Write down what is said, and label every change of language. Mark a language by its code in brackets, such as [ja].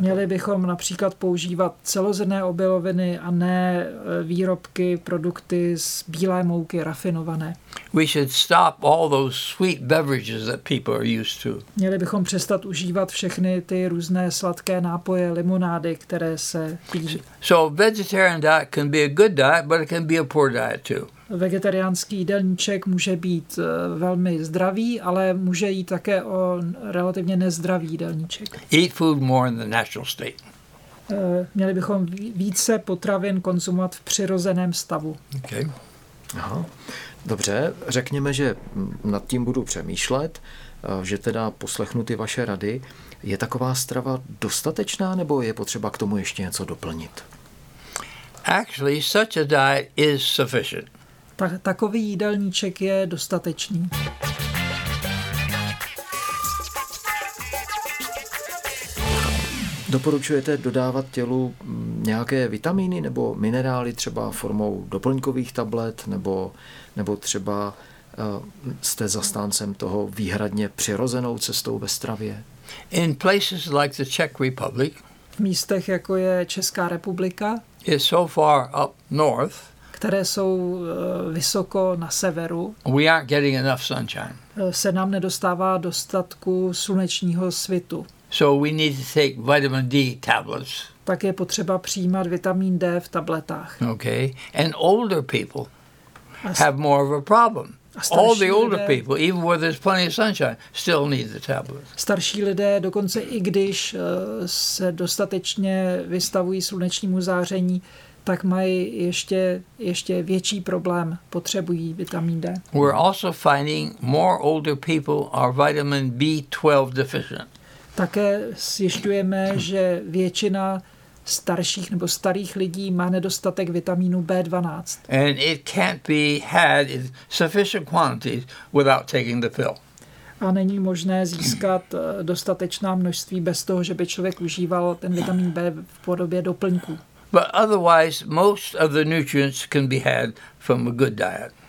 [cs] Měli bychom například používat celozrnné obiloviny a ne výrobky, produkty z bílé mouky, rafinované. [en] We should stop all those sweet beverages that people are used to. [cs] Měli bychom přestat užívat všechny ty různé sladké nápoje, limonády, které se pijí. [en] So vegetarian diet can be a good diet, but it can be a poor diet too. [cs] Vegetariánský jídelníček může být velmi zdravý, ale může jít také o relativně nezdravý jídelníček. [en] Eat food more in the natural state. [cs] Měli bychom více potravin konzumovat v přirozeném stavu. Okay. Aha. Dobře, řekněme, že nad tím budu přemýšlet, že teda poslechnu ty vaše rady. Je taková strava dostatečná, nebo je potřeba k tomu ještě něco doplnit? [en] Actually, such a diet is sufficient. [cs] Takový jídelníček je dostatečný. Doporučujete dodávat tělu nějaké vitamíny nebo minerály třeba formou doplňkových tablet nebo třeba jste zastáncem toho výhradně přirozenou cestou ve stravě? [en] In places like the Czech Republic, [cs] v místech jako je Česká republika, [en] is so far up north, [cs] které jsou vysoko na severu. [en] We aren't getting enough sunshine. [cs] Se nám nedostává dostatku slunečního svitu. [en] So we need to take vitamin D tablets. [cs] Tak je potřeba přijímat vitamin D v tabletách. Okay. [en] And older people have more of a problem. All the older people, even where there's plenty of sunshine, still need the tablets. [cs] Starší lidé, dokonce i když se dostatečně vystavují slunečnímu záření, tak mají ještě větší problém, potřebují vitamin D. [en] We're also finding more older people are vitamin B12 deficient. [cs] Také zjišťujeme, že většina starších nebo starých lidí má nedostatek vitamínu B12. [en] And it can't be had in sufficient quantities without taking the pill. [cs] A není možné získat dostatečná množství bez toho, že by člověk užíval ten vitamin B v podobě doplňku. [en] But otherwise most of the nutrients can be had from a good diet.